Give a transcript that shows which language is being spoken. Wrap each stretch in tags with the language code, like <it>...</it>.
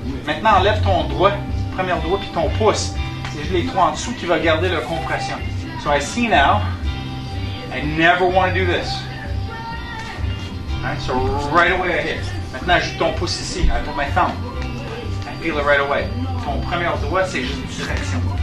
<fr>Maintenant, enlève ton doigt, premier doigt, puis ton pouce. C'est les trois en dessous qui vont garder la compression.</fr> <en>So I see now, I never want to do this. Right? So right away I hit.</en> <fr>Maintenant, j'ai ton pouce ici,</fr> <en>I put my thumb. I feel it right away.</en> <fr>Ton premier doigt, c'est juste une direction.</fr>